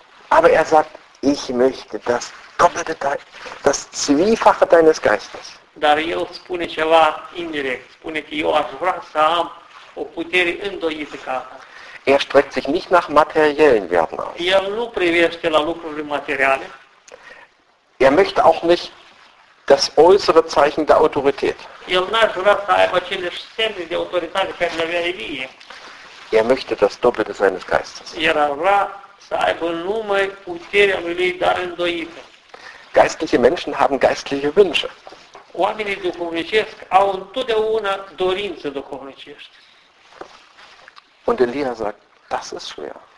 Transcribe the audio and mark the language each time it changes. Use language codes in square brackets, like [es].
[de] Aber er sagt, ich möchte das doppelte Teil, das Zwiefache deines Geistes. [ro] Dar el spune ceva indirect, spune că eu aș vrea să am o putere îndoită ca asta. [de] Er streckt sich nicht nach materiellen Werten aus. [ro] El nu privește la lucruri materiale. [de] Er möchte auch nicht das äußere Zeichen der Autorität. [ro] El n-aș vrea să aibă aceleși semne de autoritate care le avea Elie. [de] Er möchte das Doppelte seines Geistes. [ro] El ar vrea să aibă numai puterea lui Elie, dar îndoită. [de] Geistliche Menschen haben geistliche Wünsche. [ro] Oamenii duhovnicesc au întotdeauna dorință duhovnicești. [de] Und Elia sagt, das ist schwer.